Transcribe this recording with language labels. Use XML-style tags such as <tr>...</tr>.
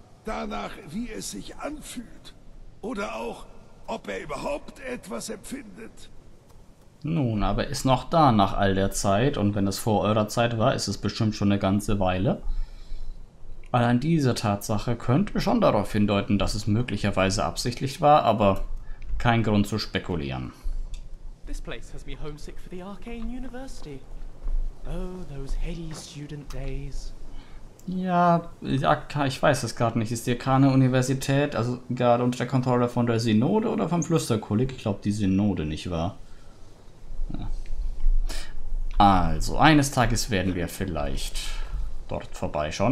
<de>Danach, wie es sich anfühlt. Oder auch, ob er überhaupt etwas empfindet. Nun, aber ist noch da nach all der Zeit. Und wenn es vor eurer Zeit war, ist es bestimmt schon eine ganze Weile. Allein diese Tatsache könnte schon darauf hindeuten, dass es möglicherweise absichtlich war. Aber kein Grund zu spekulieren.</de> <en>This place has me homesick for the Arcane University. Oh, those heady student days.</en> <de>Ja, ich weiß es gerade nicht. Ist die Akane Universität also gerade unter der Kontrolle von der Synode oder vom Flüsterkolleg? Ich glaube, die Synode, nicht wahr? Ja. Also, eines Tages werden wir vielleicht dort vorbeischauen.</de>